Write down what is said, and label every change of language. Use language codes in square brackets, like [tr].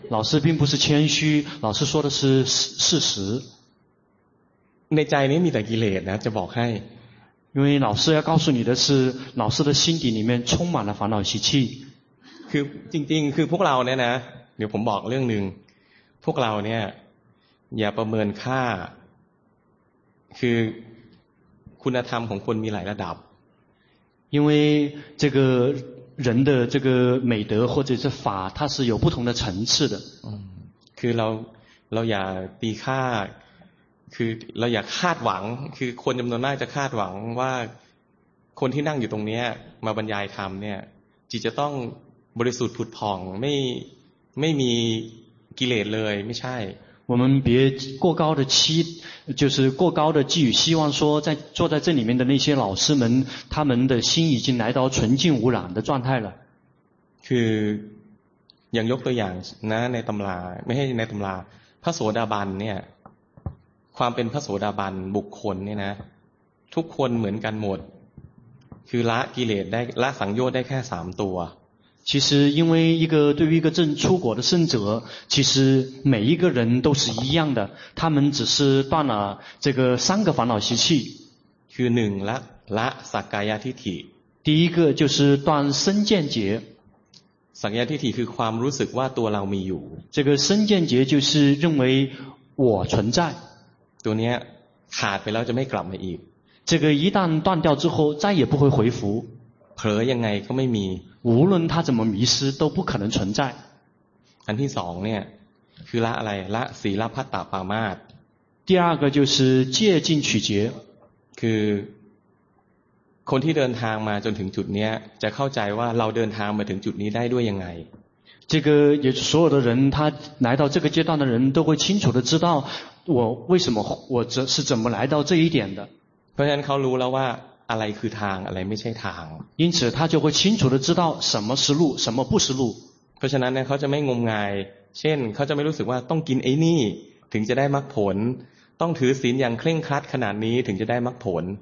[zh] 老师并不是谦虚老师说的是事实 [th] ในใจนี้มีแต่กิเลสนะจะบอกให้ [zh] 因为老师要告诉你的是老师的心底里面充满了烦恼习气 [th] คือจริงๆคือพวกเราเนี่ยนะเดี๋ยวผมบอกเรื่องนึงพวกเราเนี่ยอย่าประเมินค่าคือคุณธรรมของคนมีหลายระดับ [zh] 因为这个人的这个美德或者是法它是有不同的层次的 [th] คือเราอย่าตีค่าคือเราอย่าคาดหวังคือคนจำนวนมากจะคาดหวังว่าคนที่นั่งอยู่ตรงนี้มาบรรยายธรรมเนี่ยจิตจะต้องบริสุทธิ์ผุดผ่องไม่มีกิเลสเลยไม่ใช่ [zh] 我们别过高的期就是过高的寄予希望说在坐在这里面的那些老师们他们的心已经来到纯净无染的状态了 [th] คืออย่างยกตัวอย่างนะในตำราไม่ใช่ในตำราพระโสดาบันเนี่ยความเป็นพระโสดาบันบุคคลเนี่ยนะทุกคนเหมือนกันหมดคือละกิเลสได้ละสังโยชน์ได้แค่3ตัว [zh] คือ因为一个对于一个正出果的圣者其实每一个人都是一样的他们只是断了这个三个烦恼习气 [th] คือ1ละสักกายทิฏฐิ [zh] 第一个就是断身见结 [th] สักกายทิฏฐิคือความรู้สึกว่าตัวเรามีอยู่ [zh] 这个身见结就是认为我存在 [th] ตัวเนี้ยขาดไปแล้วจะไม่กลับมาอีก [zh] 这个一旦断掉之后再也不会回复 [th] เผลอยังไงก็ไม่มี [zh] 无论他怎么迷失都不可能存在 [th] อันที่สองเนี่ยคือละอะไรละศีลพัตตาปามาส [zh] 第二个就是戒禁取节 [th] คือคนที่เดินทางมาจนถึงจุดเนี้ยจะเข้าใจว่าเราเดินทางมาถึงจุดนี้ได้ด้วยยังไง [zh] 这个也所有的人他来到这个阶段的人都会清楚的知道我为什么我这是怎么来到这一点的 [th] เพราะฉะนั้นเขารู้แล้วว่าอะไรคือทางอะไรไม่ใช่ทาง [zh] 因此他就会清楚的知道什么是路什么不是路 [th] เพราะฉะนั้นเขาจะไม่งมงายเช่นเขาจะไม่รู้สึกว่าต้องกินไอ้นี่ถึงจะได้มรรคผล ต้องถือศีลอย่างเคร่งครัดขนาดนี้ถึงจะได้มรรคผล